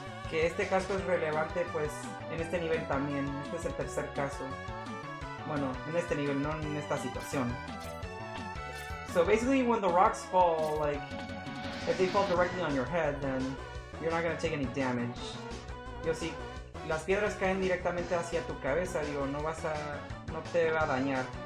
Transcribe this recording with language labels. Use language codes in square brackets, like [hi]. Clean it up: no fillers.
[es] Que este casco es relevante, pues, en este nivel también. Este es el tercer caso. bueno, en este nivel, no en esta situación. [en] So basically, when the rocks fall, like, if they fall directly on your head, then you're not gonna take any damage. [es] Yo, si las piedras caen directamente hacia tu cabeza, digo, no vas a, no te va a dañar.